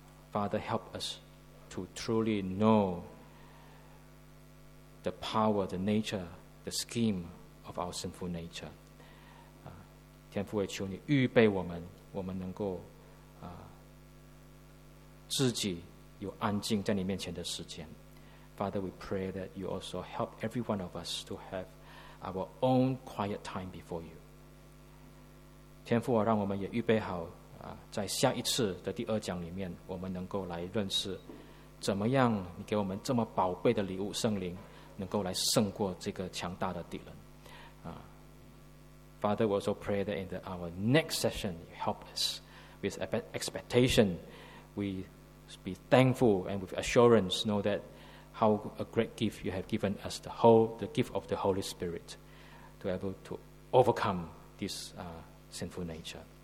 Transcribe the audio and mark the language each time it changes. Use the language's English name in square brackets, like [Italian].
[English] Father, help us to truly know the power, the nature, the scheme of our sinful nature. [Chinese] 天父，也求你预备我们，我们能够 自己有安静在你面前的时间。 [English] Father, we pray that you also help every one of us to have our own quiet time before you. [Chinese] 天父，让我们也预备好 在下一次的第二讲里面 我们能够来认识怎么样你给我们这么宝贝的礼物圣灵 能够来胜过这个强大的敌人。 [English] Father, we also pray that in our next session you help us with expectation. We be thankful and with assurance know that how a great gift you have given us, the gift of the Holy Spirit, to be able to overcome this sinful nature.